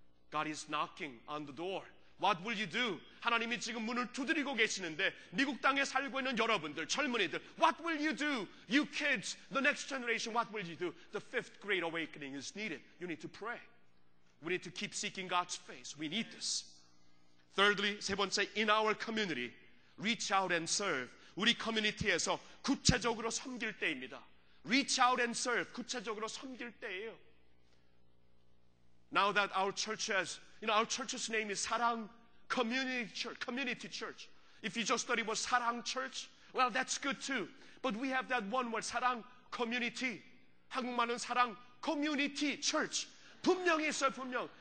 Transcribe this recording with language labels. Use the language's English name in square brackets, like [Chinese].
[English] God is knocking on the door. What will you do? [Korean] 하나님이 지금 문을 두드리고 계시는데 미국 땅에 살고 있는 여러분들, 젊은이들 [English] What will you do? You kids, the next generation, what will you do? The fifth great awakening is needed. You need to pray. We need to keep seeking God's face. We need this. Thirdly, [Korean] 세 번째, [English] in our community, reach out and serve. [Korean] 우리 커뮤니티에서 구체적으로 섬길 때입니다. [English] Reach out and serve. [Korean] 구체적으로 섬길 때예요. [English] Now that our church has, you know, our church's name is 사랑 Community Church. Community Church. If you just thought it was 사랑 Church, well, that's good too. But we have that one word, 사랑 Community. [Korean] 한국말은 사랑 Community Church. 분명히 있어요, 분명.